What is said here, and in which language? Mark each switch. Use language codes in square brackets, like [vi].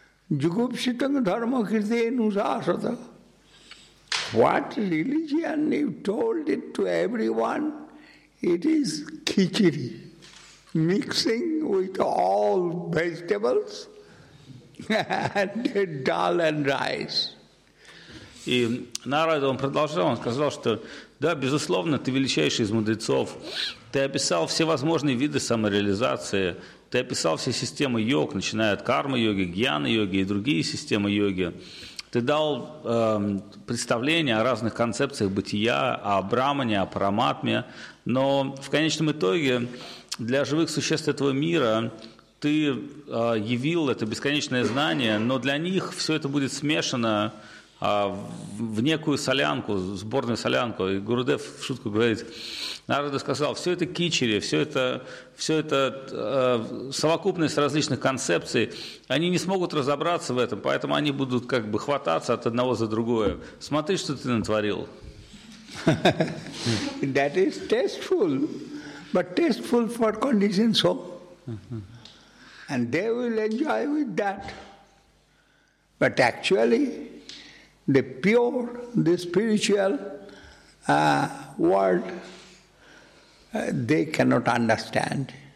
[sa] Jugupsitam dharma kriti nusasata. [en] What religion you told it to everyone? It is khichiri. Mixing with all vegetables and dal and rice. [ru] И Нарада, он продолжал, он сказал, что да, безусловно, ты величайший из мудрецов. Ты описал все возможные виды самореализации. Ты описал все системы йог, начиная от кармы-йоги, гьяны-йоги и другие системы йоги. Ты дал представление о разных концепциях бытия, о брамане, о параматме. Но в конечном итоге для живых существ этого мира ты явил это бесконечное знание, но для них все это будет смешано в некую солянку, в сборную солянку. И Гурудев в шутку говорит, Нарада сказал, все это кичери, все это совокупность различных концепций, они не смогут разобраться в этом, поэтому они будут как бы хвататься от одного за другое. Смотри, что ты натворил. [en] That is tasteful, but tasteful for conditioned soul. And they will enjoy with that. But actually, the pure, the spiritual world, they cannot understand.